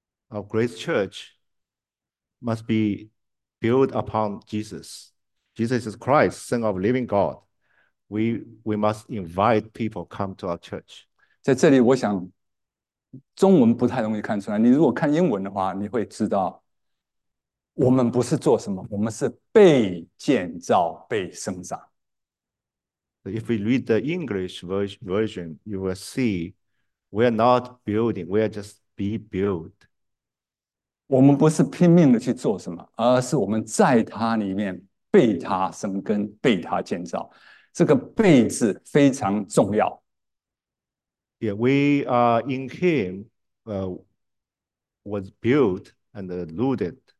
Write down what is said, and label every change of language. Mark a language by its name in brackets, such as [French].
[English] Our great church must be built upon Jesus. Jesus is Christ, Son of living God. We must invite people come to our church. [Chinese] 在这里，我想中文不太容易看出来。你如果看英文的话，你会知道，我们不是做什么，我们是被建造、被生长。 [English] If we read the English version, you will see we are not building, we are just be built. [Chinese] 我们不是拼命的去做什么，而是我们在它里面被它生根、被它建造。这个"被"字非常重要。 [English] Yeah, we are in Him, was built and rooted.